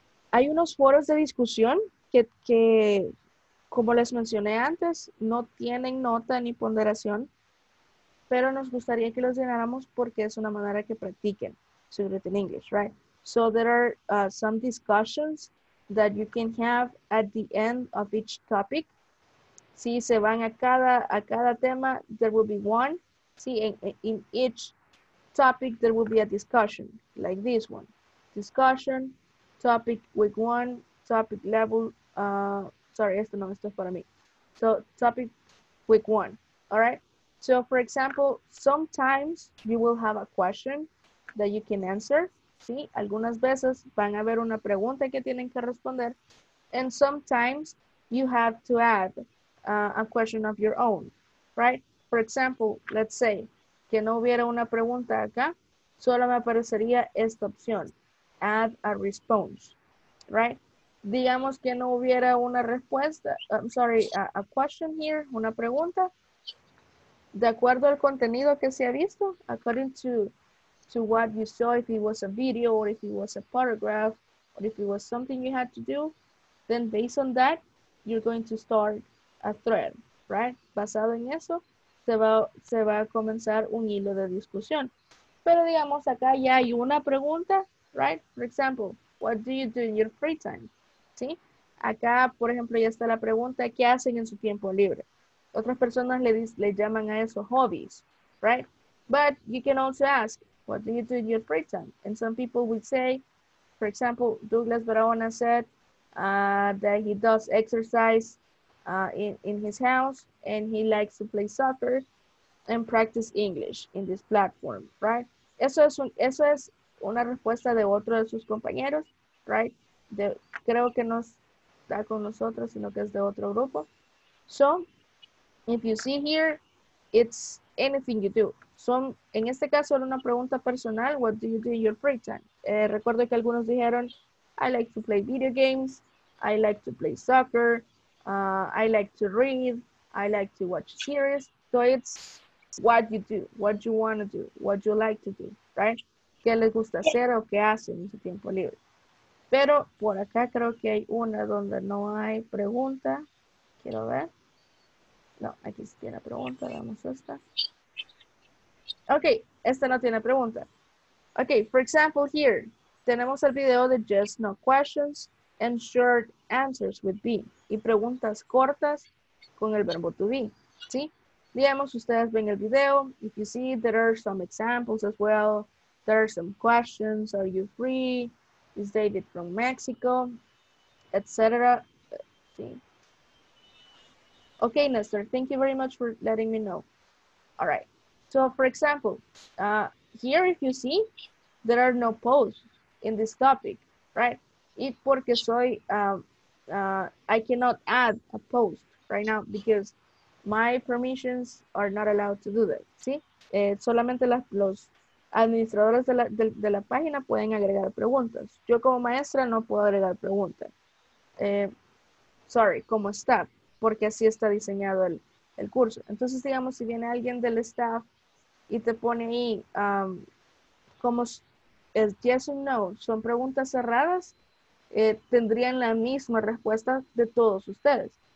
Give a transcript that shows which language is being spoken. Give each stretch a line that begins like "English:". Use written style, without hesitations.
Spanish: Hay unos foros de discusión que como les mencioné antes, no tienen nota ni ponderación, pero nos gustaría que los llenáramos porque es una manera que practiquen, sobre en
English: English, right? So there are some discussions that you can have at the end of each topic.
Spanish: Si se van a cada tema,
English: there will be one. See, in each topic, there will be a discussion, like this one. Discussion, topic week one, topic level. Sorry,
Spanish: esto no, esto es para mí.
English: So, topic week one, all right? So, for example, sometimes you will have a question that you can answer.
Spanish: Sí, algunas veces van a haber una pregunta que tienen que responder.
English: And sometimes you have to add a question of your own, right? For example, let's say
Spanish: que no hubiera una pregunta acá, solo me aparecería esta opción,
English: add a response, right?
Spanish: Digamos que no hubiera una respuesta,
English: I'm sorry, a question here,
Spanish: una pregunta, de acuerdo al contenido que se ha visto,
English: according to what you saw, if it was a video, or if it was a paragraph, or if it was something you had to do, then based on that, you're going to start a thread, right?
Spanish: Basado en eso, se va a comenzar un hilo de discusión. Pero digamos, acá ya hay una pregunta, right?
English: For example, what do you do in your free time?
Spanish: ¿Sí? Acá, por ejemplo, ya está la pregunta, ¿qué hacen en su tiempo libre? Otras personas le llaman a eso hobbies, right?
English: But you can also ask, what do you do in your free time? And some people would say, for example, Douglas Barahona said that he does exercise in his house, and he likes to play soccer and practice English in this platform, right?
Spanish: Eso es una respuesta de otro de sus compañeros, right? Creo que no está con nosotros, sino que es de otro grupo.
English: So, if you see here, it's anything you do. So,
Spanish: en este caso, era una pregunta personal,
English: what do you do in your free time?
Spanish: Recuerdo que algunos dijeron,
English: I like to play video games, I like to play soccer, I like to read, I like to watch series. So it's what you do, what you want to do, what you like to do, right?
Spanish: ¿Qué les gusta hacer o qué hacen en su tiempo libre? Pero por acá creo que hay una donde no hay pregunta. Quiero ver. No, aquí sí tiene pregunta, vamos a esta. Ok, esta no tiene pregunta.
English: Ok, for example here,
Spanish: tenemos el video de Just No Questions and Short Answers with Be. Y preguntas cortas con el verbo to be, ¿sí? Digamos, ustedes ven el video.
English: If you see, there are some examples as well. There are some questions. Are you free? Is David from Mexico? Etc. ¿Sí? Okay, Nestor. Thank you very much for letting me know. All right. So, for example, here, if you see, there are no posts in this topic, right?
Spanish: Y porque soy...
English: I cannot add a post right now because my permissions are not allowed to do that, ¿sí?
Spanish: Solamente los administradores de la página pueden agregar preguntas. Yo como maestra no puedo agregar preguntas. Sorry, como staff, porque así está diseñado el curso. Entonces, digamos, si viene alguien del staff y te pone ahí, como es yes or no, son preguntas cerradas, tendrían la misma respuesta de todos ustedes.